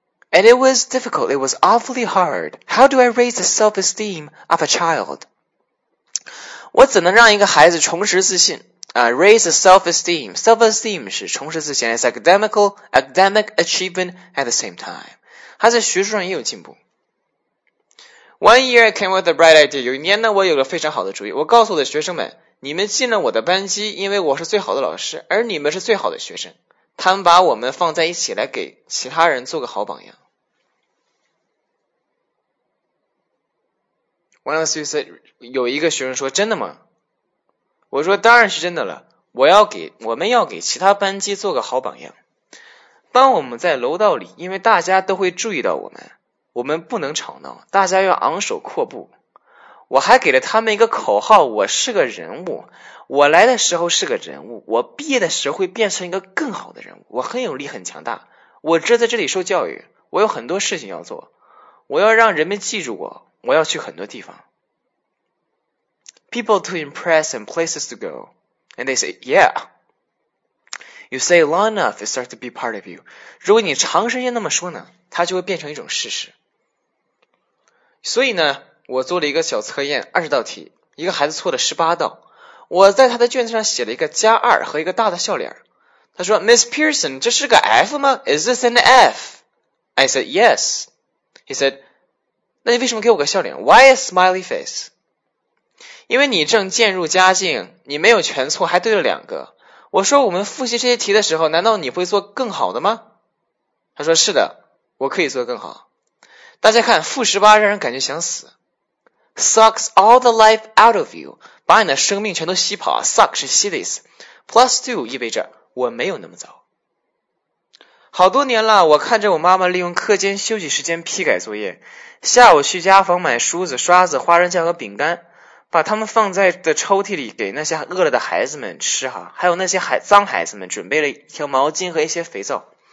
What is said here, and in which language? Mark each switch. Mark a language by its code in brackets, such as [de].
[en] And it was difficult, it was awfully hard. How do I raise the self-esteem of a child? [zh] 我怎能让一个孩子重拾自信、 [en] raise the self-esteem. Self-esteem [zh] 是重拾自信 [en] it's academic achievement at the same time. [zh] 他在学术上也有进步。 [en] One year I came with a bright idea. [zh] 有一年呢我有个非常好的主意。我告诉我的学生们，你们进了我的班级，因为我是最好的老师，而你们是最好的学生。他们把我们放在一起来给其他人做个好榜样。 [en] One of the students said, [zh] 有一个学生说真的吗？我说当然是真的了，我们要给其他班级做个好榜样。当我们在楼道里，因为大家都会注意到我们，我们不能吵闹，大家要昂首阔步。我还给了他们一个口号，我是个人物，我来的时候是个人物，我毕业的时候会变成一个更好的人物，我很有力，很强大，我只在这里受教育，我有很多事情要做，我要让人们记住我，我要去很多地方。 [en] People to impress and places to go. And they say, yeah. You say long enough, it starts to be part of you. [zh] 如果你长时间那么说呢，它就会变成一种事实。所以呢，我做了一个小测验，20道题，一个孩子错了18道。我在他的卷子上写了一个加二和一个大的笑脸。他说 Miss Pearson, 这是个 F 吗？ [en] Is this an F? I said, yes. He said, [zh] 那你为什么给我个笑脸？ [en] Why a smiley face? [zh] 因为你正渐入佳境，你没有全错，还对了两个。我说我们复习这些题的时候，难道你会做更好的吗？他说是的，我可以做更好。大家看，负十八让人感觉想死。 [en] Sucks all the life out of you. [zh] 把你的生命全都吸跑。Suck 是吸的意思。 [en] Plus two [zh] 意味着我没有那么早。好多年了，我看着我妈妈利用课间休息时间批改作业，下午去家纺买梳子、刷子、花生酱和饼干，把它们放在的抽屉里给那些饿了的孩子们吃哈，还有那些脏孩子们准备了一条毛巾和一些肥皂。